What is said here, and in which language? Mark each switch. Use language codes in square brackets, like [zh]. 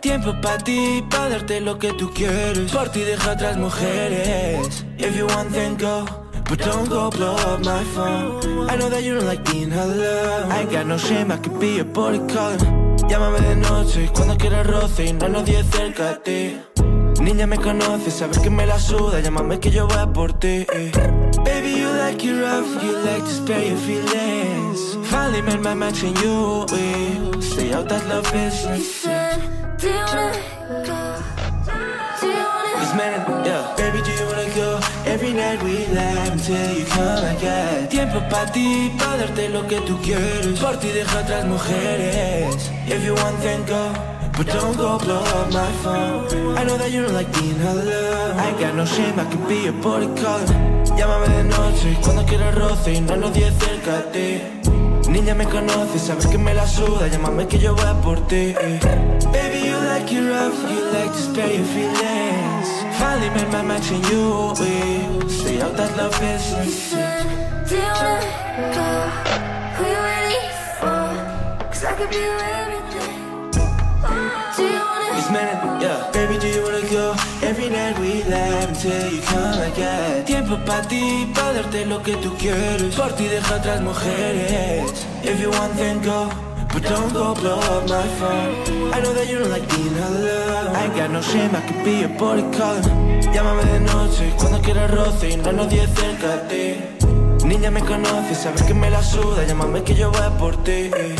[es] Tiempo pa' ti, pa' darte lo que tú quieres. Por ti deja atrás mujeres. [en] If you want then go, but don't go blow up my phone. I know that you don't like being alone. I got no shame, I could be your body color. [es] Llámame de noche, cuando quieras roce. Y no hay nadie cerca de ti. Niña me conoce, sabes que me la suda. Llámame que yo voy a por ti. [en] Baby, you like it rough, you like to spare your feelings. Finally made my match in you, we stay out that love business. He said, do you wanna go? Do you wanna go? He's mad, yeah. Baby, do you wanna go? Every night we laugh until you come again. [es] Tiempo pa' ti, pa' darte lo que tú quieres. Por ti deja atrás mujeres. [en] If you want, then go. But don't go blow up my phone. I know that you don't like being alone. I got no shame, I could be your body color. [es] Llámame de noche, cuando quieras roce. Y no hay nadie cerca de ti. Niña me conoce, sabes que me la suda. Llámame que yo voy a por ti. [en] Baby, you like it rough, you like to spare your feelings. Finally made my match in you, we stay out that love business. He said, do you wanna go? Who you waiting for? Cause I could be everything. Menend, yeah. Baby, do you wanna go? Every night we laugh until you come again. [es] Tiempo pa' ti, pa' darte lo que tú quieres. Por ti deja atrás mujeres. [en] If you want, then go. But don't go blow up my phone. I know that you don't like being alone. I got no shame, I could be your body color. [es] Llámame de noche, cuando quieras roce. Y no hay nadie cerca de ti. Niña me conoce, sabes que me la suda. Llámame que yo voy por ti.